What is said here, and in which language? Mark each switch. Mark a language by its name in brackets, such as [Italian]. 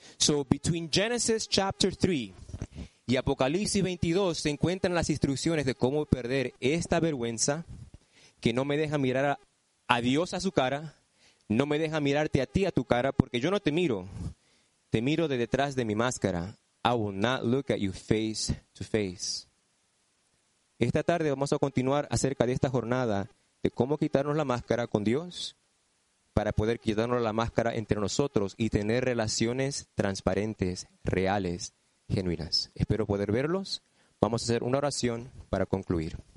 [English] So between Genesis chapter 3 [Spanish] y Apocalipsis 22 se encuentran las instrucciones de cómo perder esta vergüenza que no me deja mirar a Dios a su cara, no me deja mirarte a ti a tu cara, porque yo no te miro. Te miro de detrás de mi máscara. [English] I will not look at you face to face. [Spanish] Esta tarde vamos a continuar acerca de esta jornada de cómo quitarnos la máscara con Dios para poder quitarnos la máscara entre nosotros y tener relaciones transparentes, reales, genuinas. Espero poder verlos. Vamos a hacer una oración para concluir.